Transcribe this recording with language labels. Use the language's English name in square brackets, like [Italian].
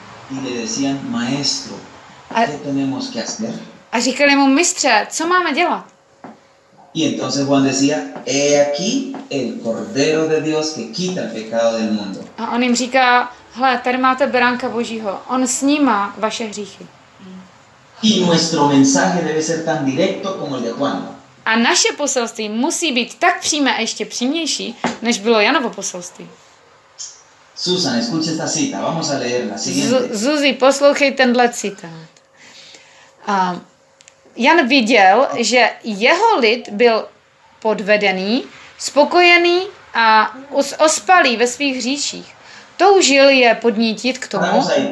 [Spanish] Y le decían, maestro, ¿qué tenemos que hacer? [Czech] A říkali mu, mistře, co máme dělat? [Spanish] Y entonces Juan decía, he aquí el Cordero de Dios que quita el pecado del mundo. [Czech] A on jim říká, hle, tady máte beránka Božího, on snímá vaše hříchy. [Spanish] Y nuestro mensaje debe ser tan directo como el de Juan. [Czech] A naše poselství musí být tak přímé a ještě přímější, než bylo Janovo poselství. [Spanish] Susan, escucha esta cita, vamos a leerla. Siguiente. [Czech] Zuzi, poslouchej tenhle citát. Jan viděl, že jeho lid byl podvedený, spokojený a ospalý ve svých hříších. Toužil je podnítit k tomu.